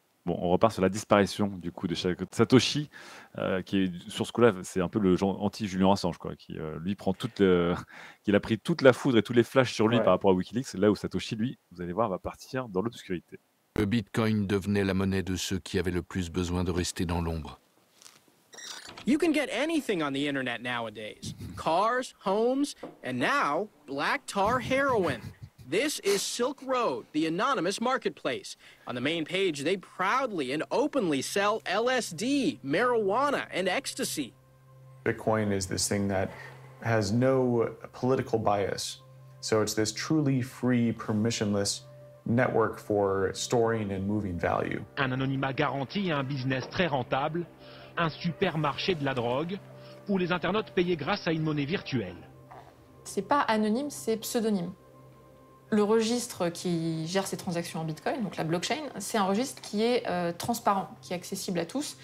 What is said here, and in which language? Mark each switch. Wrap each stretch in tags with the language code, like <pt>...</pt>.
<fr>Bon, on repart sur la disparition du coup de Satoshi, qui est sur ce coup-là, c'est un peu le genre anti-Julian Assange, quoi, qui lui prend qui a pris toute la foudre et tous les flashs sur lui par rapport à WikiLeaks, là où Satoshi, lui, vous allez voir, va partir dans l'obscurité. Le Bitcoin devenait la monnaie de ceux qui avaient le plus besoin de rester dans l'ombre.</fr> <en>You can get anything on the internet nowadays: cars, homes, and now black tar heroin. This is Silk Road, the anonymous marketplace. On the main page, they proudly and openly sell LSD, marijuana, and ecstasy. Bitcoin is this thing that has no political bias. So it's this truly free, permissionless network for storing and moving value.</en> <fr>Un anonymat garantit un business très rentable, un supermarché de la drogue, où les internautes payaient grâce à une monnaie virtuelle. C'est pas anonyme, c'est pseudonyme. Le registre qui gère ces transactions en Bitcoin, donc la blockchain, c'est un registre qui est transparent, qui est accessible à tous.</fr>